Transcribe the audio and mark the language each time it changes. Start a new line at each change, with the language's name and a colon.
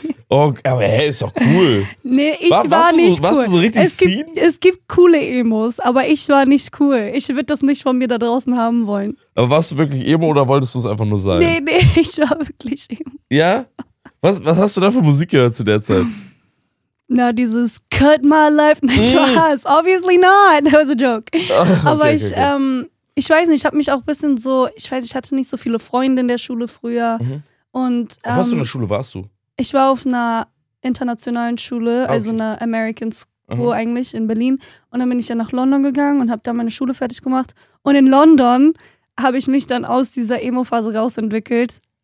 German: Oh, aber hey, ist doch cool. Nee, ich war nicht cool. Warst du so richtig ziehen? Es gibt coole Emos, aber ich war nicht cool. Ich würde das nicht von mir da draußen haben wollen. Aber warst du wirklich Emo oder wolltest du es einfach nur sein? Nee, ich war wirklich Emo. Ja? Was hast du da für Musik gehört zu der Zeit? na, dieses
English: cut my life,
German: nicht was,
English: obviously not, that was a joke.
German: Aber okay, ich weiß nicht, ich habe mich auch ein bisschen so, ich weiß, ich hatte nicht so viele Freunde in der Schule früher. Mhm. Und, auf was für eine Schule warst du? Ich war auf einer internationalen Schule, also einer American School eigentlich in Berlin. Und dann bin ich ja nach London gegangen und habe da meine Schule fertig gemacht. Und in London habe ich mich dann aus dieser Emo-Phase rausentwickelt.